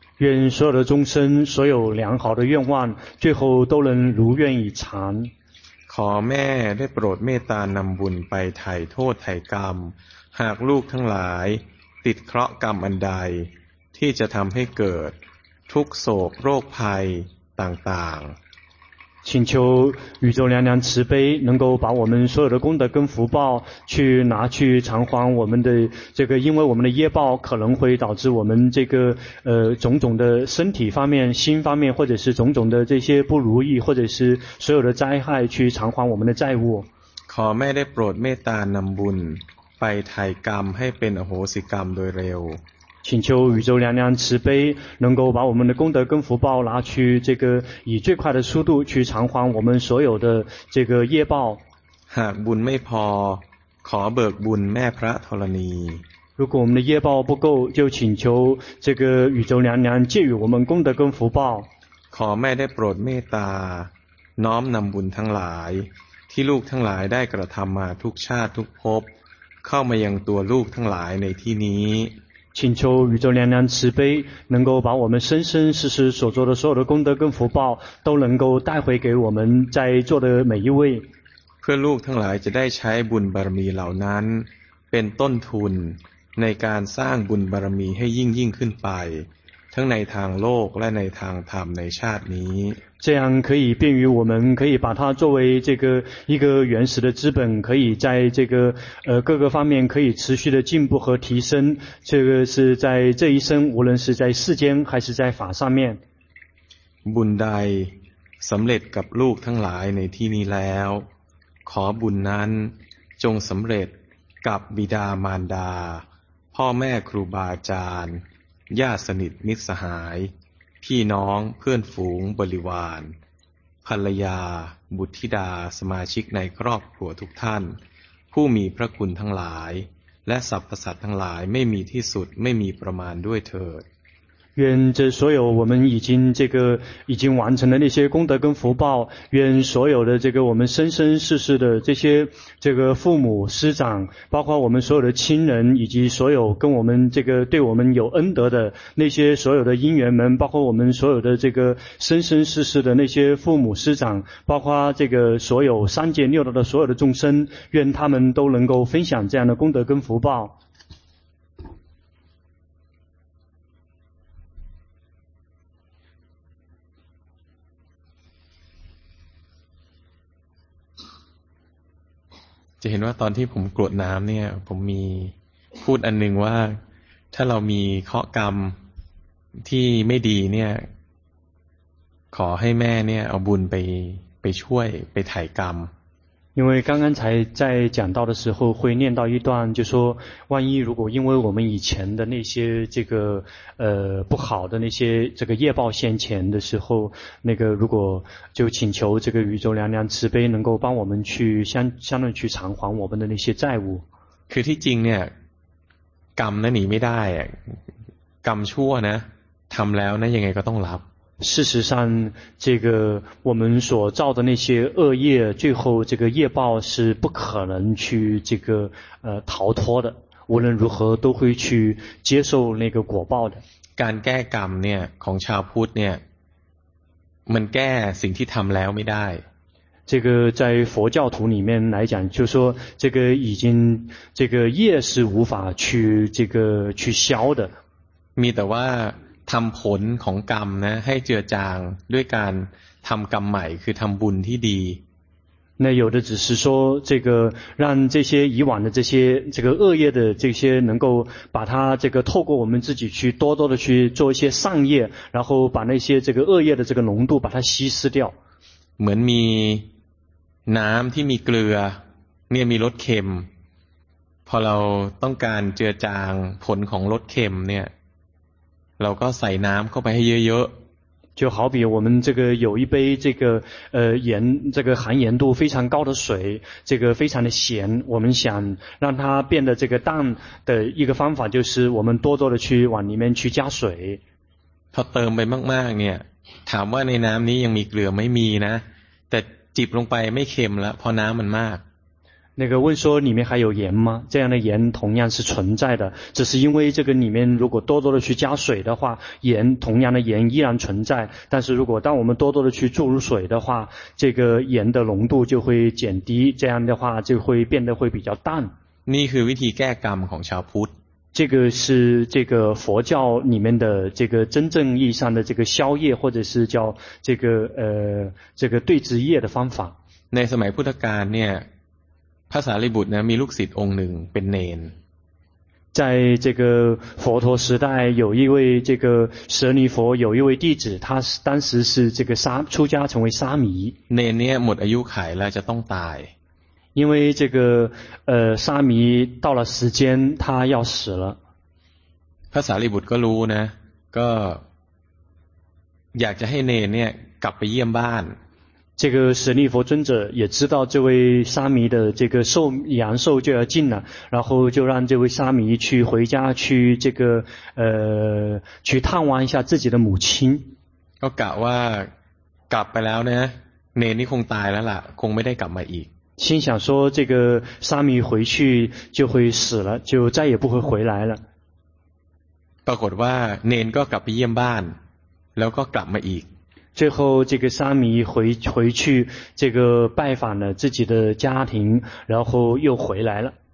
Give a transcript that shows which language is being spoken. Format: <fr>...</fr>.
<zh>愿所有的众生所有良好的愿望最后都能如愿以偿，</zh> <th>ขอแม่ได้โปรดเมตตานำบุญไปไถ่โทษไถ่กรรมหากลูกทั้งหลายติดเคราะห์กรรมอันใดที่จะทำให้เกิดทุกโศกโรคภัยต่าง</th> <zh>ๆ，请求宇宙娘娘慈悲能够把我们所有的功德跟福报去拿去偿还我们的这个，因为我们的业报可能会导致我们这个种种的身体方面心方面或者是种种的这些不如意或者是所有的灾害，去偿还我们的债务，</zh> <th>ขอแม่ได้โปรดเมตตานำบุญไปไถ่กรรมให้เป็นอโหสิกรรมโดยเร็ว，</th> <zh>请求宇宙娘娘慈悲能够把我们的功德跟福报拿去这个以最快的速度去偿还我们所有的这个业报，</zh> <th>หากบุญไม่พอขอเบิกบุญแม่พระธรณี，</th> <zh>如果我们的业报不够就请求这个宇宙娘娘借予我们功德跟福报，</zh> <th>ขอแม่ได้โปรดเมตตาน้อมนำบุญทั้งหลายที่ลูกทั้งหลายได้กระทำมาทุกชาติทุกภพเข้ามายังตัวลูกทั้งหลายในที่นี้，</th> <zh>请求宇宙娘娘慈悲能够把我们生生世世所做的所有的功德跟福报都能够带回给我们在座的每一位，</zh> <th>เพื่อลูกทั้งหลายจะได้ใช้บุญบารมีเหล่านั้นเป็นต้นทุนในการสร้างบุญบารมีให้ยิ่งขึ้นไป ทั้งในทางโลกและในทางธรรมในชาตินี้</th> <zh>这样可以便于我们可以把它作为这个一个原始的资本可以在这个各个方面可以持续的进步和提升这个是在这一生无论是在世间还是在法上面</zh> <th>บุญใดสำเร็จกับลูกทั้งหลายในที่นี้แล้วขอบุญนั้นจงสำเร็จกับบิดามารดาพ่อแม่ครูบาอาจารย์ญาติสนิทมิตรสหายพี่น้องเพื่อนฝูงบริวารภรรยาบุตรธิดาสมาชิกในครอบครัวทุกท่านผู้มีพระคุณทั้งหลายและสรรพสัตว์ทั้งหลายไม่มีที่สุดไม่มีประมาณด้วยเถิด</th> <zh>愿这所有我们已经这个已经完成的那些功德跟福报，愿所有的这个我们生生世世的这些这个父母师长，包括我们所有的亲人，以及所有跟我们这个对我们有恩德的那些所有的因缘们，包括我们所有的这个生生世世的那些父母师长，包括这个所有三界六道的所有的众生，愿他们都能够分享这样的功德跟福报。</zh> <th>จะเห็นว่าตอนที่ผมกรวดน้ำเนี่ยผมมีพูดอันหนึ่งว่าถ้าเรามีเคราะห์กรรมที่ไม่ดีเนี่ยขอให้แม่เนี่ยเอาบุญไปช่วยไปไถ่กรรม</th> <zh>因为刚刚才在讲到的时候会念到一段就说万一如果因为我们以前的那些这个不好的那些这个业报现前的时候那个如果就请求这个宇宙娘娘慈悲能够帮我们去相当于去偿还我们的那些债务</zh> <th>คือที่จริงเนี่ยกรรมนั้นหนีไม่ได้กรรมชั่วนะทำแล้วนะยังไงก็ต้องรับ</th> <zh>事实上这个我们所造的那些恶业最后这个业报是不可能去这个逃脱的无论如何都会去接受那个果报的</zh> <th>การแก้กรรมเนี่ยของชาวพุทธเนี่ยมันแก้สิ่งที่ทำแล้วไม่ได้</th> <zh>这个在佛教徒里面来讲就是说这个已经这个业是无法去这个去消的</zh> <th>มีแต่ว่าทำผลของกรรมนะให้เจือจางด้วยการทำกรรมใหม่คือทำบุญที่ดี</th> <zh>那有的只是说这个让这些以往的这些这个恶业的这些能够把它这个透过我们自己去多多的去做一些善业然后把那些这个恶业的这个浓度把它稀释掉</zh> <th>เหมือนมีน้ำที่มีเกลือเนี่ยมีรสเค็มพอเราต้องการเจือจางผลของรสเค็มเนี่ยเราก็ใส่น้ำเข้าไปให้เยอะ</th> <zh>ๆ就好比我们这个有一杯这个盐这个含盐度非常高的水这个非常的咸我们想让它变得这个淡的一个方法就是我们多多的去往里面去加水</zh> <th>พอเติมไปมากๆเนี่ยถามว่าในน้ำนี้ยังมีเกลือไม่มีนะแต่จิบลงไปไม่เค็มแล้วเพราะน้ำมันมาก</th> <zh>那个问说里面还有盐吗？这样的盐同样是存在的，只是因为这个里面如果多多的去加水的话，盐同样的盐依然存在。但是如果当我们多多的去注入水的话，这个盐的浓度就会减低，这样的话就会变得会比较淡。</zh> <th>นี่คือวิธีแก้กรรมของชาวพุทธ。</th> <zh>这个是这个佛教里面的这个真正意义上的这个消业或者是叫这个这个对治业的方法。</zh> <th>ในสมัยพุทธกาลเนี่ยพระสารีบุตรนะมีลูกศิษย์องค์หนึ่งเป็นเนน</th> <zh>在这个佛陀时代有一位这个舍利佛有一位弟子他当时是这个出家成为沙弥</zh> <th>เนนเนี่ยหมดอายุขัยแล้วจะต้องตาย</th> <zh>因为这个沙弥到了时间他要死了</zh> <th>พระสารีบุตรก็รู้นะก็อยากจะให้เนนเนี่ยกลับไปเยี่ยมบ้าน</th> <zh>这个舍利弗尊者也知道这位沙弥的这个寿阳寿就要尽了，然后就让这位沙弥去回家去这个去探望一下自己的母亲。我讲哇，</zh> <th>กลับไปแล้วนะ，เนนี่คงตายแล้วล่ะ，คงไม่ได้กลับมาอีก。</th> <zh>心想说这个沙弥回去就会死了，就再也不会回来了。</zh> <th>ปรากฏว่าเนนก็กลับไปเยี่ยมบ้าน，แล้วก็กลับมาอีก。</th> <zh>最后这个沙弥回去这个拜访了自己的家庭然后又回来了</zh>